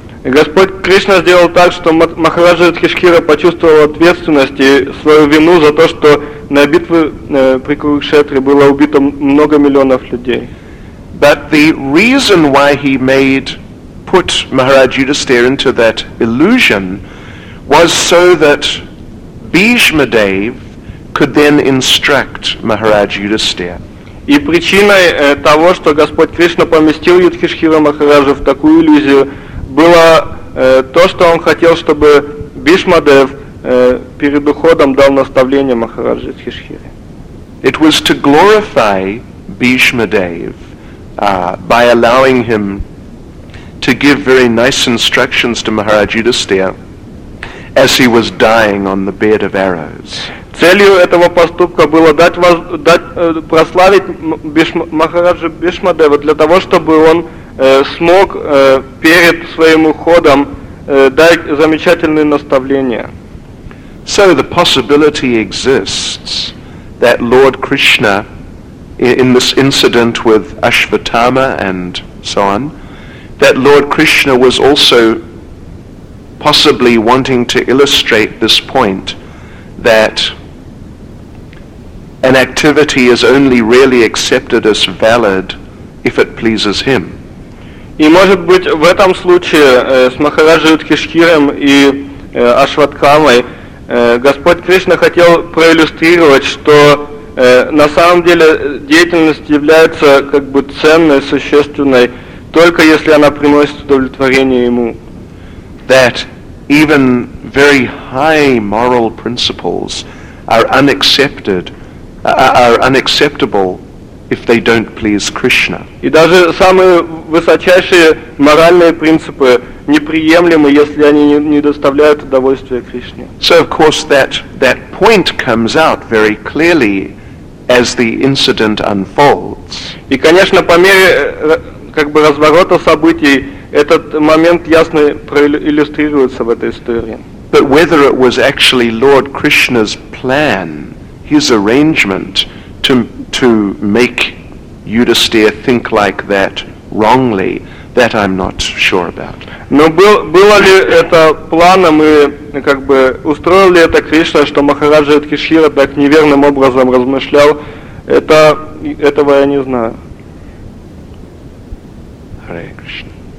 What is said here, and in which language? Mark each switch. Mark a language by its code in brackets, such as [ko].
[ru] Господь Кришна сделал так, что Махараджа Юдхиштхира почувствовал ответственность и свою вину за то, что на битве при Курукшетре было убито много миллионов людей. [en] But the reason why he put Maharaj Yudhisthira into that illusion was so that Bhishma Dev could then instruct Maharaj Yudhisthira. [ru] И причиной того, что Господь Кришна поместил Юдхиштхира Махараджа в такую иллюзию, было то, что он хотел, чтобы Бишма Дев перед уходом дал наставление Махараджи Юдхиштхире. [en] It was to glorify Бишма Дев by allowing him to give very nice instructions to Махараджи Юдхиштхира as he was dying on the bed of arrows. [ru] Целью этого поступка было прославить Махараджу Бишма Дева для того, чтобы он смог перед своим уходом дать замечательные наставления. [en] So the possibility exists that Lord Krishna, in this incident with Ashwatthama and so on, that Lord Krishna was also possibly wanting to illustrate this point that an activity is only really accepted as valid if it pleases him. [ru] И может быть в этом случае с Махараджи Юдхиштхиром и Ашватхамой Господь Кришна хотел проиллюстрировать, что на самом деле деятельность является как бы ценной, существенной только если она приносит удовлетворение ему. [en] That even very high moral principles are unaccepted, are unacceptable if they don't please Krishna. [ru] И даже самые высочайшие моральные принципы неприемлемы, если они не доставляют удовольствия Кришне. [en] So of course that point comes out very clearly as the incident unfolds. [ru] И конечно, по мере как бы разворота событий этот момент ясно проиллюстрируется в этой истории. [en] But whether it was actually Lord Krishna's plan, his arrangement to make Yudhisthira think like that wrongly, that I'm not sure about. [ru] Но было ли это планом и как бы устроил ли это Кришна, что Махараджа Юдхиштхира так неверным образом размышлял, этого я не знаю. [en] Hare Krishna.